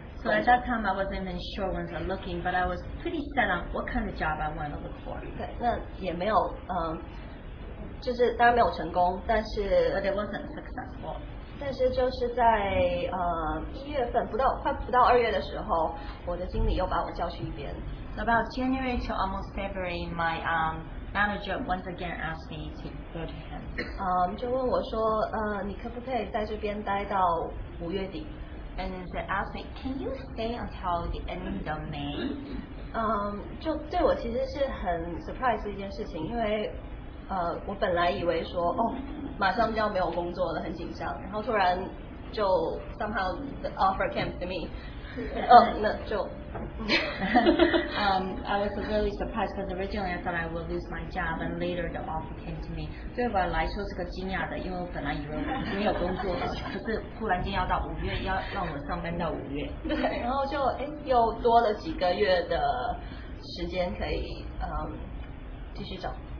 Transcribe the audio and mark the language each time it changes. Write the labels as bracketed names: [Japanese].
[English] So at that time, I wasn't even sure when I was looking, but I was pretty set on what kind of job I wanted to look for. [Chinese] 那也没有，就是当然没有成功，但是 [English] but it wasn't successful. [Chinese] 但是就是在一月份不到二月的时候，我的经理又把我叫去一边。 [English] So about January to almost February, my manager once again asked me to go to him. [Chinese] 就问我说，你可不可以在这边待到五月底？ [English] And then they asked me, can you stay until the end of May? [Chinese] 就对我其实是很 surprise 的一件事情，因为我本来以为说，哦，马上就要没有工作了，很紧张，然后突然就 [English] somehow the offer came to me. [Chinese] 那就 [English] I was really surprised because originally I thought I would lose my job and later the offer came to me. [Chinese] 对我来说是个惊讶的，因为我本来以为我没有工作了，可是忽然间要到五月，要让我上班到五月。对，然后就又多了几个月的时间可以继续找。